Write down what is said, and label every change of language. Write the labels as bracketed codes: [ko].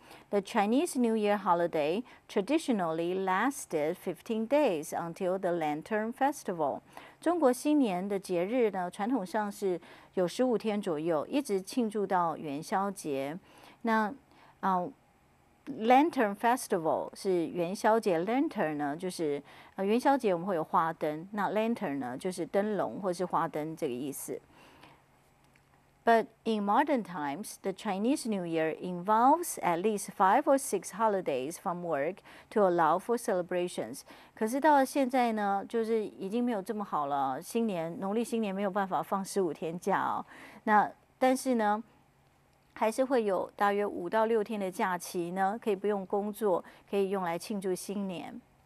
[en] The Chinese New Year holiday traditionally lasted 15 days until the Lantern Festival. [zh] 中国新年的节日呢，传统上是有15天左右，一直庆祝到元宵节。那Lantern Festival 是元宵节 ，Lantern 呢就是元宵节我们会有花灯，那 Lantern 呢就是灯笼或是花灯这个意思。 [en] But in modern times, the Chinese New Year involves at least 5 or 6 holidays from work to allow for celebrations. [zh] 可是到了现在呢，就是已经没有这么好了。新年，农历新年没有办法放15天假哦。那但是呢，还是会有大约5到6天的假期呢，可以不用工作，可以用来庆祝新年。